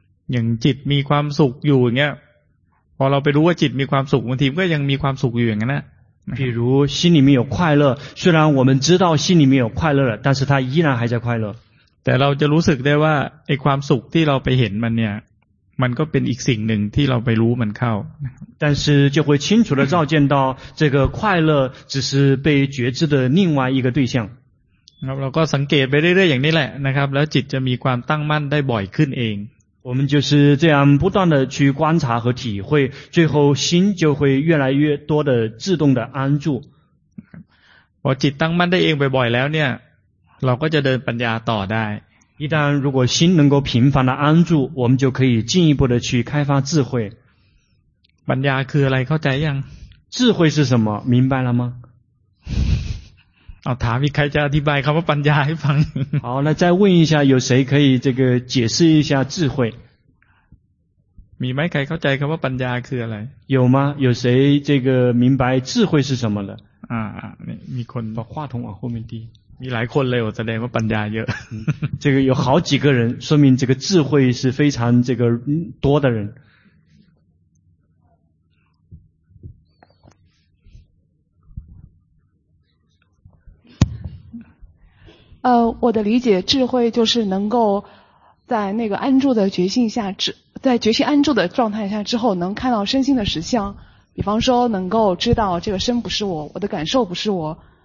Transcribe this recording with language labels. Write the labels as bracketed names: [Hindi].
[Thai] อย่างจิตมีความสุขอยู่เงี้ยพอเราไปรู้ว่าจิตมีความสุขบางทีก็ยังมีความสุขอยู่อย่างนั้นนะ [Chinese] 比如心里面有快乐虽然我们知道心里面有快乐了但是它依然还在快乐 [Thai] แต่เราจะรู้สึกได้ว่าไอ้ความสุขที่เราไปเห็นมันเนี่ยมันก็เป็นอีกสิ่งหนึ่งที่เราไปรู้มันเข้า [Chinese] 但是就会清楚地照见到这个快乐只是被觉知的另外一个对象 [Thai] เราก็สังเกตไปเรื่อยๆอย่างนี้แหละนะครับแล้วจิตจะมีความตั้งมั่นได้บ่อยขึ้นเอง [Chinese] 我们就是这样不断的去观察和体会最后心就会越来越多的自动的安住 [Thai] พอจิตตั้งมั่นได้เองบ่อยๆแล้วเนี่ยเราก็จะเดินปัญญาต่อได้ [Chinese] 一旦如果心能够频繁的安住，我们就可以进一步的去开发智慧。 [Thai] ปัญญาคืออะไรเข้าใจยัง？ [Chinese] 智慧是什么？明白了吗？ [Thai] เอาถามอีกใครจะอธิบายคำว่าปัญญาให้ฟัง？ [Chinese] 好，那再问一下，有谁可以这个解释一下智慧？ [Thai] มีไหมใครเข้าใจคำว่าปัญญาคืออะไร？ [Chinese] 有吗？有谁这个明白智慧是什么的？ [Thai] มีคน。 [Chinese] 把话筒往后面递。 [Thai] มีหลายคนเลยว่าแสดงว่าปัญญาเยอะ [Chinese] 这个有好几个人说明这个智慧是非常这个多的人我的理解智慧就是能够在那个安住的觉性下在觉性安住的状态下之后能看到身心的实相比方说能够知道这个身不是我我的感受不是我